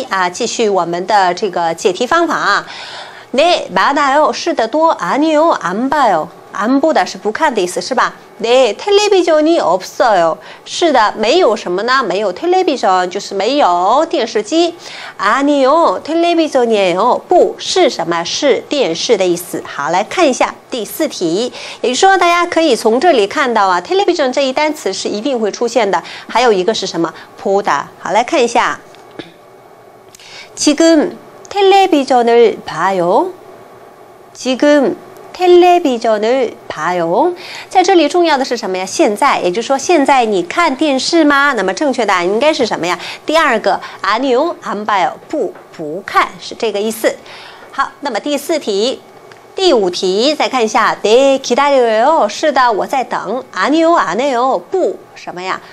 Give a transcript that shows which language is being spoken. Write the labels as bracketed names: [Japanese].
[Chinese] 他问你这个面包好不好吃，当然回答是什么呀？是的，好吃，很简单。三题。好，那么看一下四题啊，继续我们的这个解题方法啊。 [Korean] 네, 많아요. [Chinese] 是的, 多. [Korean] 아니요, 안 봐요. [Chinese] 안보다是不看的意思，是吧？ [Korean] 네, 텔레비전이 없어요. [Chinese] 是的，没有什么呢？没有 텔레비전 就是没有电视机。 [Korean] 아니요, 텔레비전이에요. [Chinese] 不是什么，是电视的意思。好，来看一下第四题。也就是说，大家可以从这里看到啊， television 这一单词是一定会出现的。还有一个是什么？ [Korean] 보다。 [Chinese] 好，来看一下， [Korean] 지금 텔레비전을 봐요. 지금 텔레비전을 봐요. [Chinese] 在这里重要的是什么呀?现在, 也就是说现在你看电视吗? 那么正确答案应该是什么呀?第二个, [Korean] 아니요, 안 봐요, [Chinese] 不看, 是这个意思。好,那么第四题, 第五题, 再看一下, [Korean] 네, 기다려요, [Chinese] 是的,我在等, [Korean] 아니요, 안 해요, [Chinese] 不, 什么呀?